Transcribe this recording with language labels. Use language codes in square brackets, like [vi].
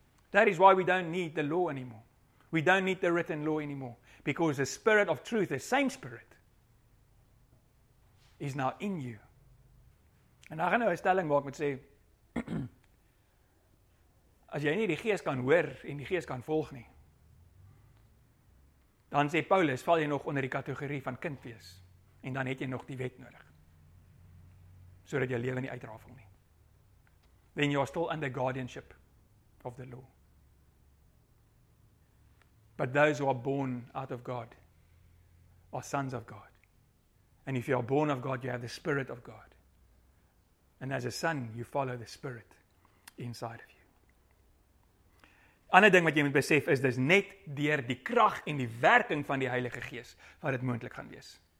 [en] That is why we don't need the law anymore. We don't need the written law anymore. Because the Spirit of truth, the same Spirit, is now in you. [af] En nou gaan nou 'n stelling maak met sê, as jy nie die Gees kan hoor en die Gees kan volg nie, dan sê Paulus, val jy nog onder die kategorie van kind wees, en dan het jy nog die wet nodig, sodat jy lewe nie uitrafel nie. [en] Then you are still under guardianship of the law. But those who are born out of God are sons of God. And if you are born of God, you have the Spirit of God. And as a son, you follow the Spirit inside of you. [af] Ander ding wat jy moet besef is, dis net deur die krag en die werking van die Heilige Gees wat dit moontlik gaan wees.